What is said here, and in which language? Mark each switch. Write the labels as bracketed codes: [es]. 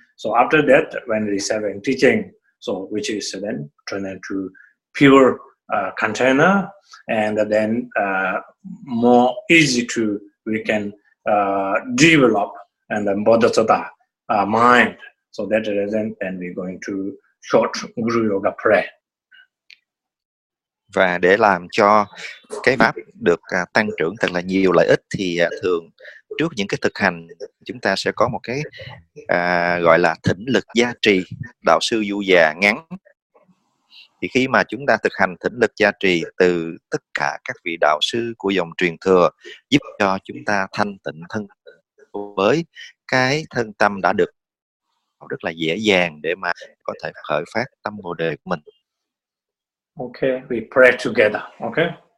[en] So after that, when receiving teaching, so which is then turned into pure container, and then more easy to we can develop and then bodhisattva mind. So that reason, then we're going to short guru yoga prayer. [vi] Và để làm cho cái pháp được tăng trưởng thật là nhiều lợi ích thì thường trước những cái thực hành chúng ta sẽ có một cái gọi là thỉnh lực gia trì đạo sư du già ngắn. Thì khi mà chúng ta thực hành thỉnh lực gia trì từ tất cả các vị đạo sư của dòng truyền thừa giúp cho chúng ta thanh tịnh thân với cái thân tâm đã được rất là dễ dàng để mà có thể khởi phát tâm bồ đề của mình. [en] Okay, we pray together, okay?